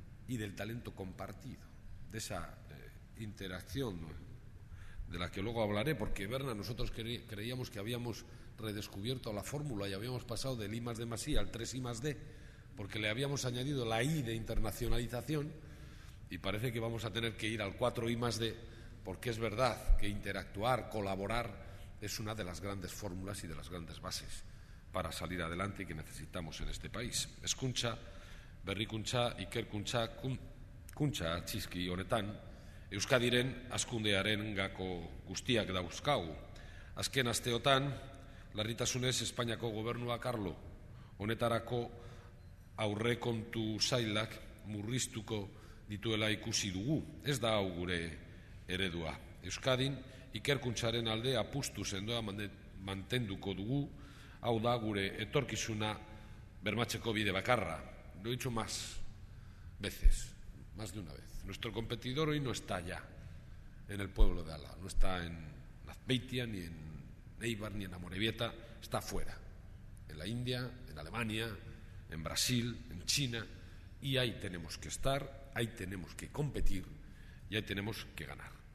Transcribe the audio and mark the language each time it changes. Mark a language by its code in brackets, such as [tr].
[es] y del talento compartido, de esa interacción, ¿no?, de la que luego hablaré, porque Berna, nosotros creíamos que habíamos redescubierto la fórmula y habíamos pasado del I más D más I al 3 I más D, porque le habíamos añadido la I de internacionalización, y parece que vamos a tener que ir al 4 I más D, porque es verdad que interactuar, colaborar, es una de las grandes fórmulas y de las grandes bases para salir adelante y que necesitamos en este país. [eu] Eskuntza, berrikuntza, ikerkuntza, kuntza, txiski honetan, Euskadiren hazkundearen gako guztiak dauzkagu. Azken asteotan, larritasunez, Espainiako gobernua, Carlo, honetarako aurrekontu sailak murriztuko dituela ikusi dugu. Ez da hau gure eredua. Euskadin, ikerkuntzaren alde apustu sendoa mantenduko dugu, hau da gure etorkizuna bermatzeko bide bakarra. [es] Lo he dicho más veces, más de una vez. Nuestro competidor hoy no está ya en el pueblo de Álava, no está en Azpeitia, ni en Eibar, ni en Amorebieta, está fuera, en la India, en Alemania, en Brasil, en China, y ahí tenemos que estar, ahí tenemos que competir y ahí tenemos que ganar.